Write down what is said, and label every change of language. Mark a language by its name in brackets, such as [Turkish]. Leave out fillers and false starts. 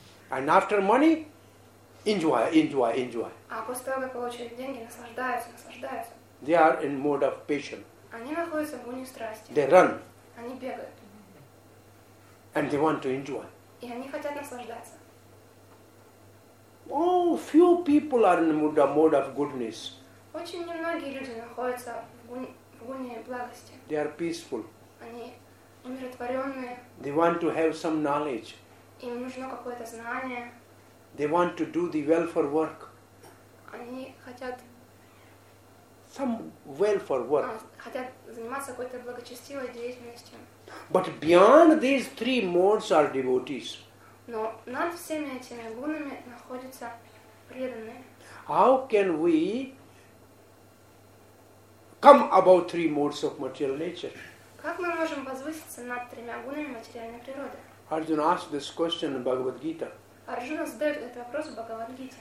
[English] And after money, enjoy, enjoy, enjoy. [Russian] А после того, как получили деньги, наслаждаются, наслаждаются. [English] They are in mode of passion. [Russian] Они находятся в гуне страсти. [English] They run. [Russian] Они бегают. [English] And they want to enjoy. [Russian] И они хотят наслаждаться. [English] Oh, few people are in the mode of goodness. [Russian] Очень немногие люди находятся в гуне благости. [English] They are peaceful. [Russian] Они умиротворенные. [English] They want to have some knowledge. [Russian] Им нужно какое-то знание. [English] They want to do the welfare work. [Russian] Они хотят... [English] Some welfare work. [Russian] Хотят заниматься какой-то благочестивой деятельностью. [English] But beyond these three modes are devotees. [Russian] Но над всеми этими гунами находятся преданные. [English] How can we come above three modes of material nature? [Russian] Как мы можем возвыситься над тремя гунами материальной природы? [English] Arjuna asked this question in Bhagavad Gita. [Russian] Арджуна задает этот вопрос в Бхагавад-гите.